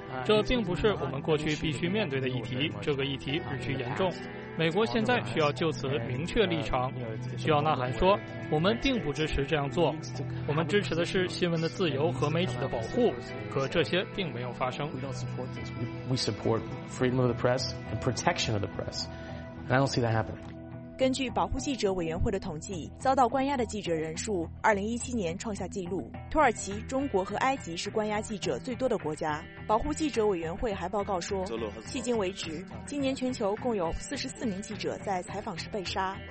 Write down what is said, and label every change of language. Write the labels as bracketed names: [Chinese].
[Chinese] 这并不是我们过去必须面对的议题，这个议题日趋严重，美国现在需要就此明确立场，需要呐喊说我们并不支持这样做，我们支持的是新闻的自由和媒体的保护，可这些并没有发生。 [English] We support freedom of the press and protection of the press and I don't see that happening。 [Chinese] 根据保护记者委员会的统计，遭到关押的记者人数2017年创下纪录。土耳其、中国和埃及是关押记者最多的国家。保护记者委员会还报告说，迄今为止，今年全球共有44名记者在采访时被杀。